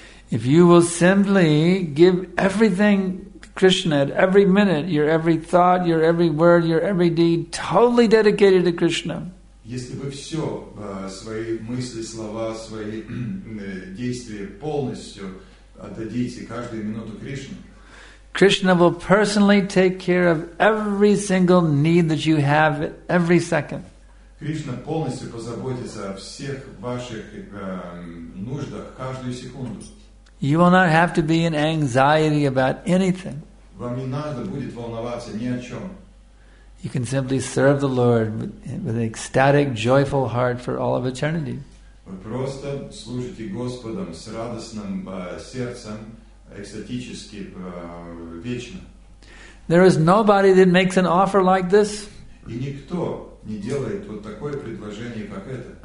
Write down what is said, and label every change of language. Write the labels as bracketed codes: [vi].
[en] If you will simply give everything to Krishna at every minute, your every thought, your every word, your every deed, totally dedicated to Krishna. [ru] Если вы все, свои мысли, слова, свои действия полностью отдадите каждую минуту Кришне, [en] Krishna will personally take care of every single need that you have at every second. [ru] Кришна полностью позаботится о всех ваших нуждах каждую секунду. [en] You will not have to be in anxiety about anything. [ru] Вам не надо будет волноваться ни о чем. [en] You can simply serve the Lord with an ecstatic, joyful heart for all of eternity. [ru] Вы просто служите Господом с радостным сердцем, экстатически, вечно. [en] There is nobody that makes an offer like this. [ru] И никто не делает вот такое предложение, как это.